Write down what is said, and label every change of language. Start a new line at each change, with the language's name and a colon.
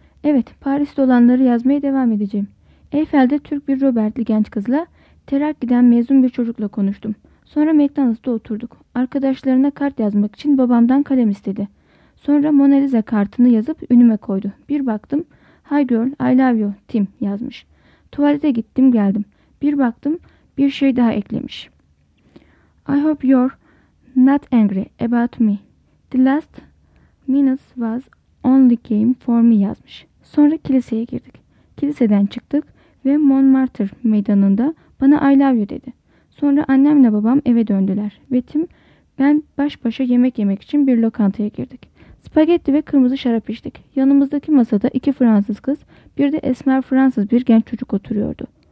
Turkish: Evet, Paris'te olanları yazmaya devam edeceğim. Eyfel'de Türk bir Robertli genç kızla, Terakki'den mezun bir çocukla konuştum. Sonra McDonald's'ta oturduk. Arkadaşlarına kart yazmak için babamdan kalem istedi. Sonra Mona Lisa kartını yazıp önüme koydu. Bir baktım,
English: "Hi girl, I love you, Tim"
Turkish: yazmış. Tuvalete gittim, geldim. Bir baktım, bir şey daha eklemiş.
English: "I hope you're not angry about me. The last minutes was only game for me"
Turkish: yazmış. Sonra kiliseye girdik. Kiliseden çıktık ve Montmartre meydanında bana
English: "I love you"
Turkish: dedi. Sonra annemle babam eve döndüler ve Tim ben baş başa yemek yemek için bir lokantaya girdik. Spagetti ve kırmızı şarap içtik. Yanımızdaki masada iki Fransız kız, bir de esmer Fransız bir genç çocuk oturuyordu.